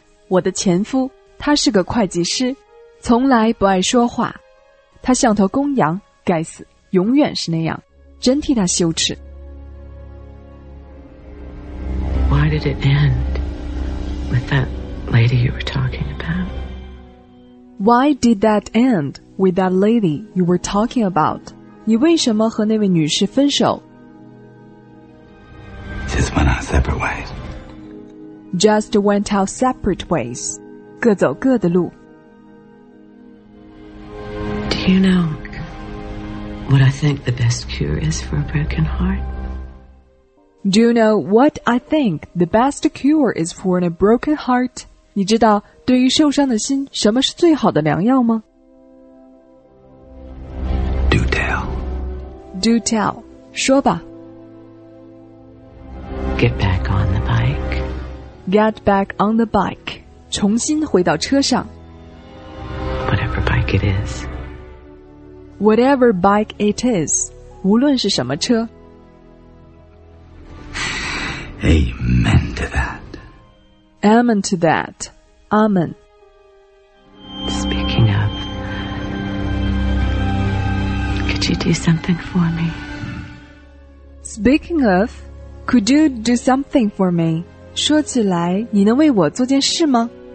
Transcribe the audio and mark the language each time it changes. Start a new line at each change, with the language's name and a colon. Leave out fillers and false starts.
Chinese: 我的前夫，他是个会计师，从来不爱说话。他像头公羊，该死，永远是那样，真替他羞耻。
English: Why did it end with that lady you were talking about? Why did that end with that lady you were talking about?
Chinese: 你为什么和那位女士分手?
English: Just went our separate ways. Just went our separate ways.
Chinese: 各走各的路。
English: Do you know what I think the best cure is for a broken heart? Do you know what I think the best cure is for in a broken heart?
Chinese: 你知道对于受伤的心什么是最好的良药吗?
English: Do tell. Do tell.
Chinese: 说吧。
English: Get back on the bike. Get back on the bike.
Chinese: 重新回到车上。
English: Whatever bike it is. Whatever bike it is.
Chinese: 无论是什么车。
English: Amen to that. Amen to that. Amen. Speaking of, could you do something for me? Speaking of, could you do something for me?
Chinese: 说起来，你能为我做件事吗？